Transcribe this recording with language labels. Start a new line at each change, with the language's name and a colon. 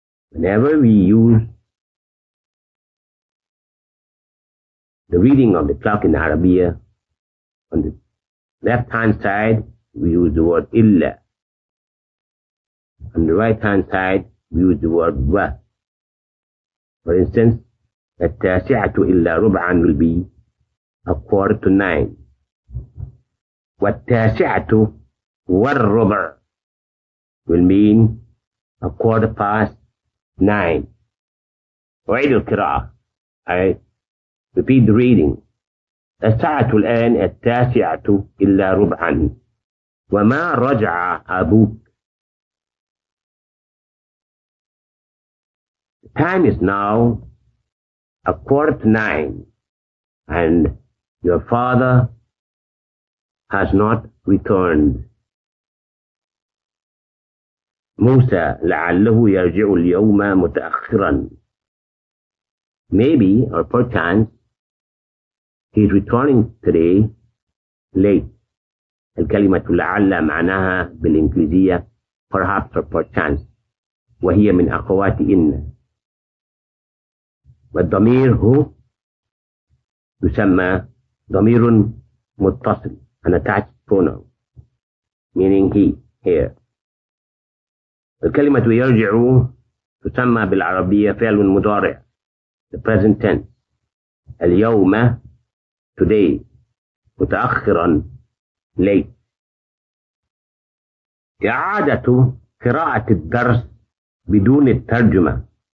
English: Whenever we use the reading of the clock in Arabia, on the left hand side, we use the word إلا. On the right hand side, we use the word و. For instance,
Arabic: التاسعة إلا ربعا
English: will be 8:45.
Arabic: والتاسعة والربع will mean 9:15. أعيد القراءة.
English: I repeat the reading.
Arabic: الساعة الآن التاسعة إلا ربعا. وما رجع أبوك.
English: The time is now 8:45 and your father has not returned.
Arabic: Musa, لَعَلَّهُ يَرْجِعُ الْيَوْمَ مُتَأْخِرًا.
English: Maybe or perchance he's returning today late.
Arabic: الكلمة لَعَلَّ مَعْنَاهَا بالإنجليزية
English: perhaps or perchance.
Arabic: وَهِيَ مِنْ أَخَوَاتِ إِنَّ. والضمير هو يسمى ضمير متصل
English: an attached pronoun meaning he here.
Arabic: الكلمة يرجع تسمى بالعربية فعل مضارع
English: the present tense.
Arabic: اليوم today متأخرا late. إعادة قراءة الدرس بدون الترجمة.